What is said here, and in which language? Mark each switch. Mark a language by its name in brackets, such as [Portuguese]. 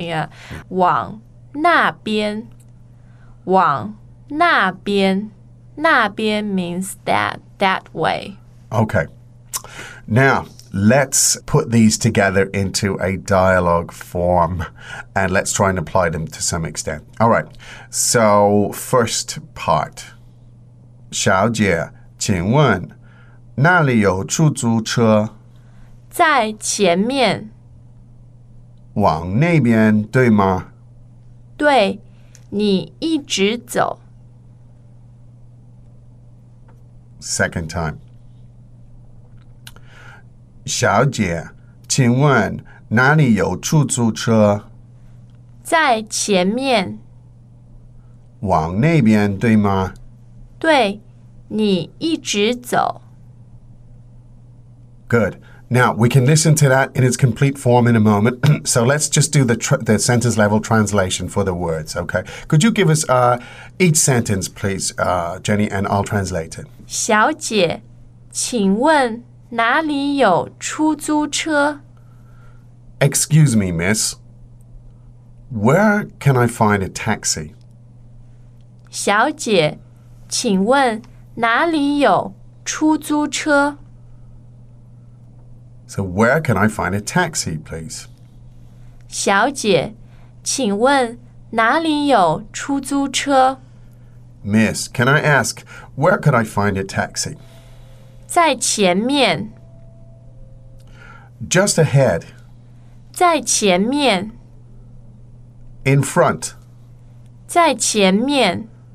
[English] Yeah. [Chinese] 往那边往那边那边 [English] means that way. Okay. Now, let's put these together into a dialogue form and let's try and apply them to some extent. All right. So, first part. [Chinese] 小姐,请问,那里有出租车? 在前面。往那边,对吗? 对，你一直走。 [English] Second time， [Chinese] 小姐，请问哪里有出租车？在前面。往那边对吗？对，你一直走。 [English] Good。 Now, we can listen to that in its complete form in a moment. So let's just do the sentence level translation for the words, okay? Could you give us each sentence, please, Jenny, and I'll translate it. [Chinese] 小姐,请问哪里有出租车? [English] Excuse me, miss. Where can I find a taxi? [Chinese] 小姐,请问哪里有出租车? [English] So where can I find a taxi, please? [Chinese] 小姐,请问哪里有出租车? [English] Miss, can I ask, where could I find a taxi? [Chinese] 在前面。 [English] Just ahead. [Chinese] 在前面。 [English] In front. [Chinese] 在前面。